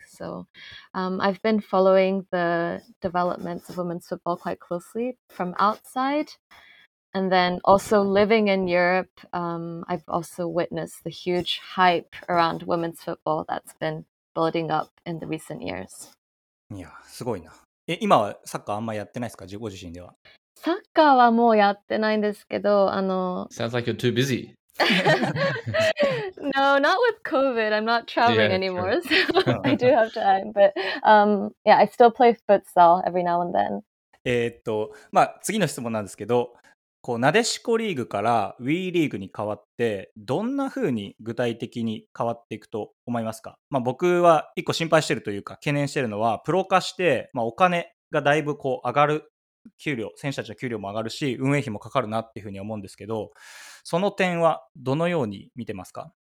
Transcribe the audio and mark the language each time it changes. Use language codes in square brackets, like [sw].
[en] So I've been following the developments of women's football quite closely from outside. And then also living in Europe, I've also witnessed the huge hype around women's football that's been building up in the recent years. [ja] いや、すごいな。え、今はサッカーあんまやってないですか、自己自身では。サッカーはもうやってないんですけど、 [en] Sounds like you're too busy. No, not with COVID. I'm not traveling anymore, so I do have time. But yeah, I still play futsal every now and then. [ja] まあ、次の質問なんですけど、こうなでしこリーグから WE リーグに変わってどんな風に具体的に変わっていくと思いますか、まあ、僕は一個心配してるというか懸念してるのはプロ化して、まあ、お金がだいぶこう上がる給料選手たちの給料も上がるし運営費もかかるなっていう風に思うんですけどその点はどのように見てますか